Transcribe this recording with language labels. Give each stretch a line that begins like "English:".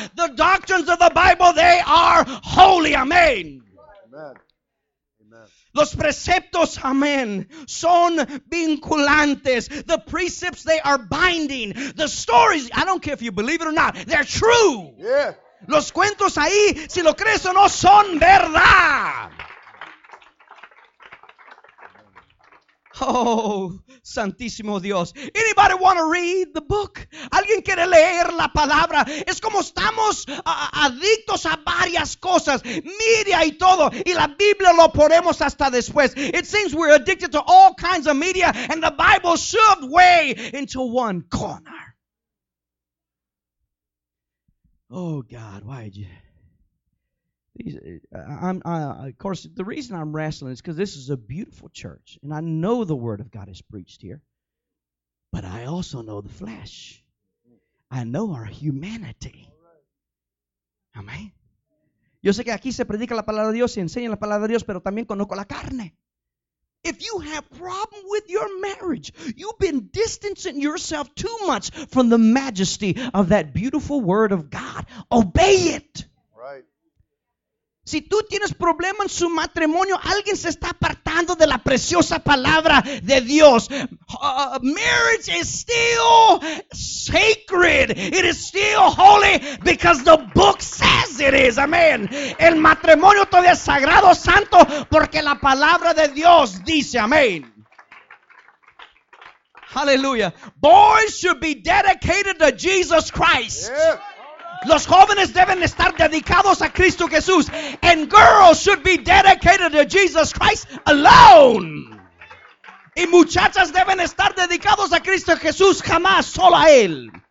English: The doctrines of the Bible, they are holy. Amen. Amen. Amen.
Spanish: Los preceptos, amen, son vinculantes.
English: The precepts, they are binding. The stories, I don't care if you believe it or not, they're true. Yeah.
Spanish: Los cuentos ahí, si lo crees o no, son verdad. Oh, Santísimo Dios.
English: Anybody want to read the book?
Spanish: ¿Alguien quiere leer la palabra? Es como estamos adictos a varias cosas, media y todo, y la Biblia lo ponemos hasta después.
English: It seems we're addicted to all kinds of media, and the Bible shoved way into one corner. Oh, God, why did you... Of course, the reason I'm wrestling is because this is a beautiful church, and I know the Word of God is preached here, but I also know the flesh. I know our humanity. Amen.
Spanish: Yo sé que aquí se predica la palabra de Dios, se enseña la palabra de Dios, pero también conozco la carne.
English: If you have problem with your marriage, you've been distancing yourself too much from the majesty of that beautiful Word of God. Obey it.
Spanish: Si tú tienes problema en su matrimonio, alguien se está apartando de la preciosa palabra de Dios.
English: Marriage is still sacred. It is still holy because the book says it is. Amen.
Spanish: El matrimonio todavía es sagrado, santo, porque la palabra de Dios dice amén.
English: Hallelujah. Boys should be dedicated to Jesus Christ. Yeah.
Spanish: Los jóvenes deben estar dedicados a Cristo Jesús.
English: And girls should be dedicated to Jesus Christ alone.
Spanish: Y muchachas deben estar dedicados a Cristo Jesús jamás, solo a Él.